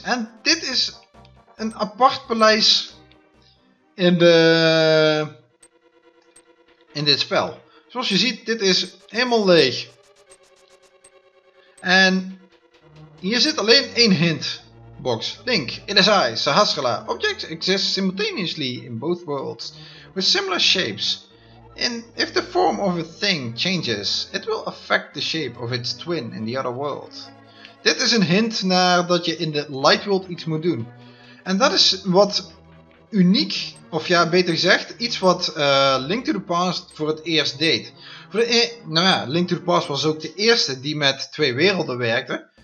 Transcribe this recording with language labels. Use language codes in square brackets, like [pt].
[nl] En dit is een apart paleis in dit spel. Zoals je ziet, dit is helemaal leeg. En hier zit alleen één hint. [en] Box. Link, it is I, Sahasrara. Objects exist simultaneously in both worlds, with similar shapes. And if the form of a thing changes, it will affect the shape of its twin in the other world. [nl] Dit is een hint naar dat je in de Light World iets moet doen. En dat is wat uniek, of ja, beter gezegd, iets wat Link to the Past voor het eerst deed. Link to the Past was ook de eerste die met twee werelden werkte.